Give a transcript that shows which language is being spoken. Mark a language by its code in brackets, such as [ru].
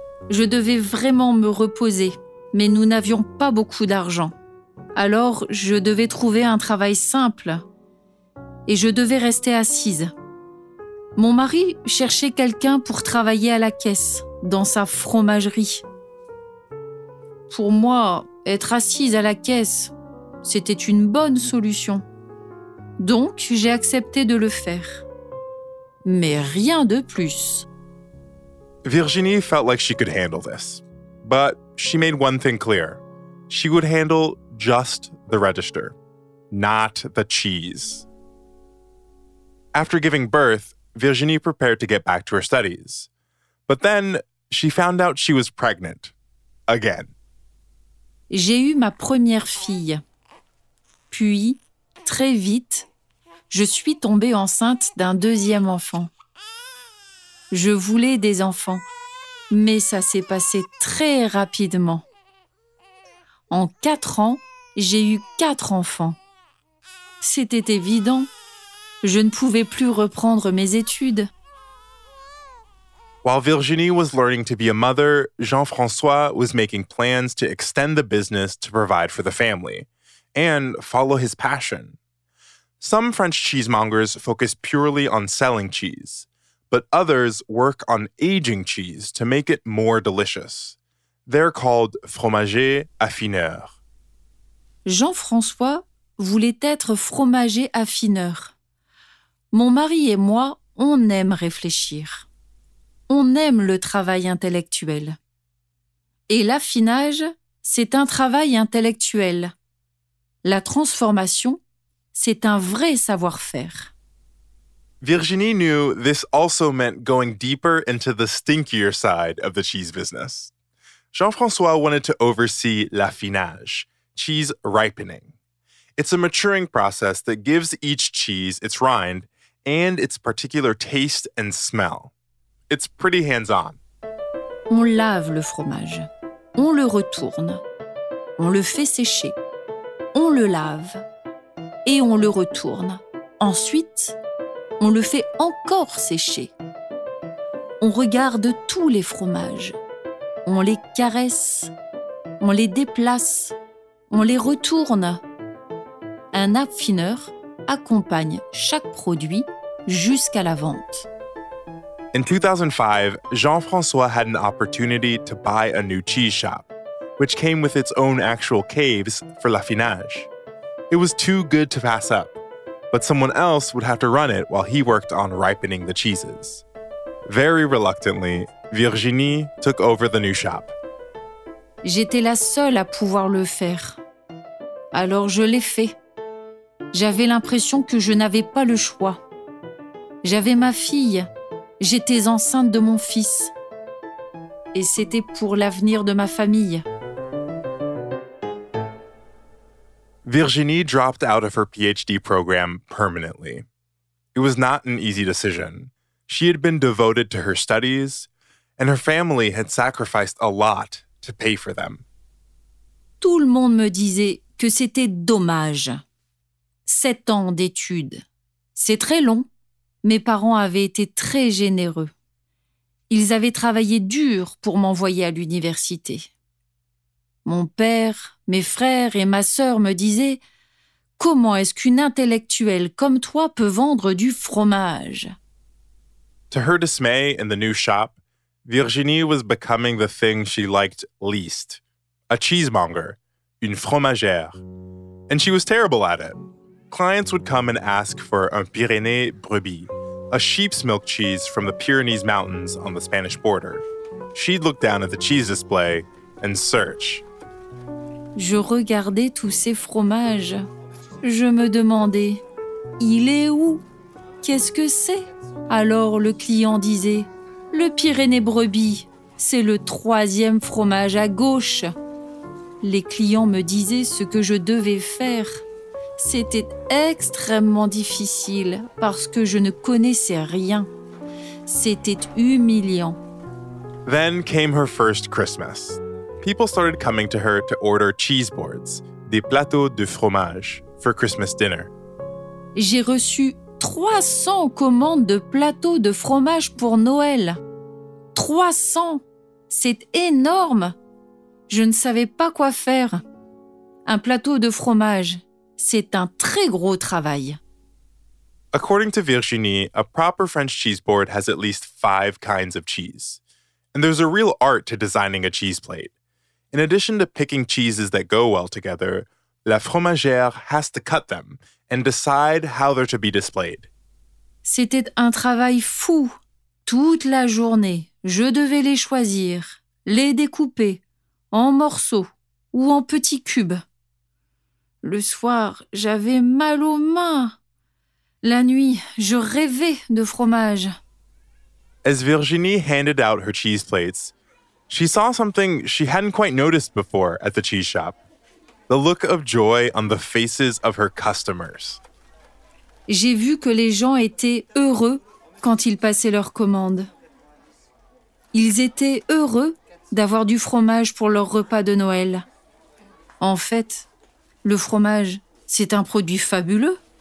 [fr] Je devais vraiment me reposer, mais nous n'avions pas beaucoup d'argent. Alors, je devais trouver un travail simple. Et je devais rester assise. Mon mari cherchait quelqu'un pour travailler à la caisse, dans sa fromagerie. Pour moi, être assise à la caisse, c'était une bonne solution. Donc, j'ai accepté de le faire. Mais rien de plus. [en] Virginie felt like she could handle this. But she made one thing clear. She would handle just the register, not the cheese. After giving birth, Virginie prepared to get back to her studies. But then, she found out she was pregnant. Again. [fr] J'ai eu ma première fille. Puis, très vite, je suis tombée enceinte d'un deuxième enfant. Je voulais des enfants, mais ça s'est passé très rapidement. En 4 ans, j'ai eu 4 enfants. C'était évident. Je ne pouvais plus reprendre mes études. [en] While Virginie was learning to be a mother, Jean-François was making plans to extend the business to provide for the family and follow his passion. Some French cheesemongers focus purely on selling cheese, but others work on aging cheese to make it more delicious. They're called fromagers affineurs. [fr] Jean-François voulait être fromager affineur. Mon mari et moi, on aime réfléchir. On aime le travail intellectuel. Et l'affinage, c'est un travail intellectuel. La transformation, c'est un vrai savoir-faire. [en] Virginie knew this also meant going deeper into the stinkier side of the cheese business. Jean-François wanted to oversee l'affinage, cheese ripening. It's a maturing process that gives each cheese its rind and its particular taste and smell. It's pretty hands-on. [fr] On lave le fromage. On le retourne. On le fait sécher. On le lave. Et on le retourne. Ensuite, on le fait encore sécher. On regarde tous les fromages. On les caresse. On les déplace. On les retourne. Un affineur accompagne chaque produit jusqu'à la vente. [en] In 2005, Jean-François had an opportunity to buy a new cheese shop, which came with its own actual caves for l'affinage. It was too good to pass up, but someone else would have to run it while he worked on ripening the cheeses. Very reluctantly, Virginie took over the new shop. [fr] J'étais la seule à pouvoir le faire. Alors je l'ai fait. J'avais l'impression que je n'avais pas le choix. J'avais ma fille. J'étais enceinte de mon fils. Et c'était pour l'avenir de ma famille. [en] Virginie dropped out of her PhD program permanently. It was not an easy decision. She had been devoted to her studies, and her family had sacrificed a lot to pay for them. [fr] Tout le monde me disait que c'était dommage. 7 ans d'études, c'est très long. Mes parents avaient été très généreux. Ils avaient travaillé dur pour m'envoyer à l'université. Mon père, mes frères et ma sœur me disaient « Comment est-ce qu'une intellectuelle comme toi peut vendre du fromage ?» [en] To her dismay in the new shop, Virginie was becoming the thing she liked least. A cheesemonger, [fr] une fromagère. [en] And she was terrible at it. Clients would come and ask for un Pyrénées brebis, a sheep's milk cheese from the Pyrenees Mountains on the Spanish border. She'd look down at the cheese display and search. [fr] Je regardais tous ces fromages. Je me demandais, il est où? Qu'est-ce que c'est? Alors le client disait, le Pyrénées brebis, c'est le 3e fromage à gauche. Les clients me disaient ce que je devais faire. C'était extrêmement difficile parce que je ne connaissais rien. C'était humiliant. [en] Then came her first Christmas. People started coming to her to order cheese boards, [fr] des plateaux de fromage, [en] for Christmas dinner. [fr] J'ai reçu 300 commandes de plateaux de fromage pour Noël. 300! C'est énorme! Je ne savais pas quoi faire. Un plateau de fromage, c'est un très gros travail. [en] According to Virginie, a proper French cheese board has at least 5 kinds of cheese. And there's a real art to designing a cheese plate. In addition to picking cheeses that go well together, la fromagère has to cut them and decide how they're to be displayed. [fr] C'était un travail fou. Toute la journée, je devais les choisir, les découper, en morceaux ou en petits cubes. Le soir, j'avais mal aux mains. La nuit, je rêvais de fromage. [en] As Virginie handed out her cheese plates, she saw something she hadn't quite noticed before at the cheese shop. The look of joy on the faces of her customers. [fr] J'ai vu que les gens étaient heureux quand ils passaient leurs commandes. Ils étaient heureux d'avoir du fromage pour leur repas de Noël. En fait, le fromage, c'est un produit fabuleux.